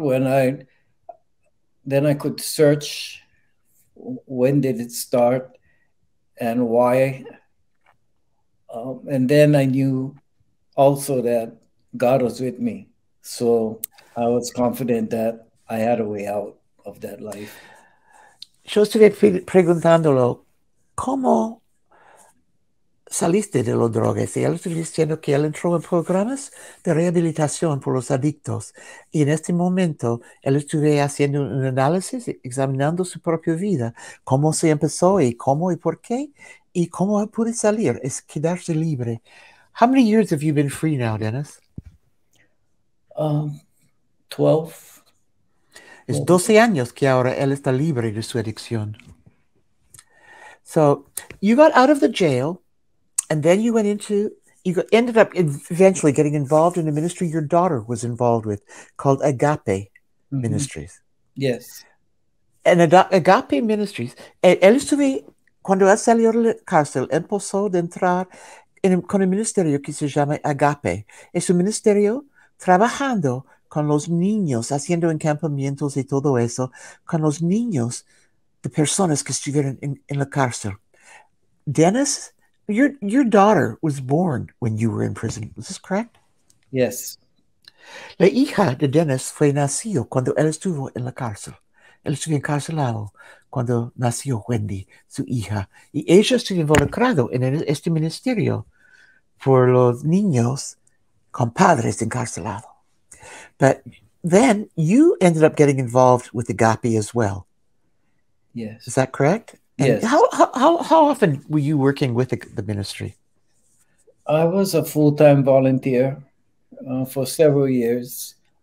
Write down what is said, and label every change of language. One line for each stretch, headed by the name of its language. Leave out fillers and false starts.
English: Then I could search when did it start and why. And then I knew also that God was with me. So I was confident that I had a way out of that life.
Spanish: Yo estuve preguntándolo, ¿cómo saliste de los drogas? Y él estuvo diciendo que él entró en programas de rehabilitación por los adictos. Y en este momento, él estuvo haciendo un análisis, examinando su propia vida, cómo se empezó y cómo y por qué, y cómo pude salir, es quedarse libre.
English: How many years have you been free now, Dennis? 12.
Spanish: Es 12 años que ahora él está libre de su adicción.
English: So, you got out of the jail, and then you went into, you got, ended up eventually getting involved in a ministry your daughter was involved with, called Agape mm-hmm. Ministries. Yes.
Spanish: And Agape Ministries, él estuvo, cuando él salió de la cárcel, empezó a entrar con un ministerio que se llama Agape. Es un ministerio trabajando con los niños, haciendo encampamientos y todo eso, con los niños de personas que estuvieron en la cárcel.
English: Dennis, your daughter was born when you were in prison. Is this correct? Yes.
Spanish: La hija de Dennis fue nacido cuando él estuvo en la cárcel. Él estuvo encarcelado cuando nació Wendi, su hija. Y ella estuvo involucrado en este ministerio por los niños con padres encarcelados.
English: But then you ended up getting involved with Agape as well. Yes. Is that correct? And yes. How often were you working with the ministry? I was a full-time volunteer for several years.